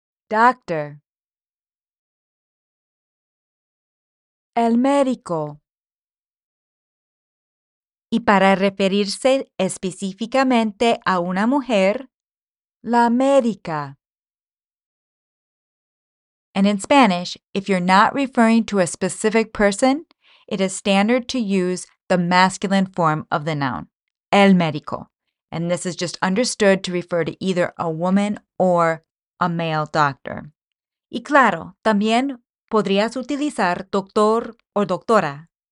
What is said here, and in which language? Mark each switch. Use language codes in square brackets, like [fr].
[en] Doctor. [es] El médico. Y para referirse específicamente a una mujer, la médica. [en] And in Spanish, if you're not referring to a specific person, it is standard to use the masculine form of the noun, el médico. And this is just understood to refer to either a woman or a male doctor. [es] Y claro, también podrías utilizar doctor o doctora.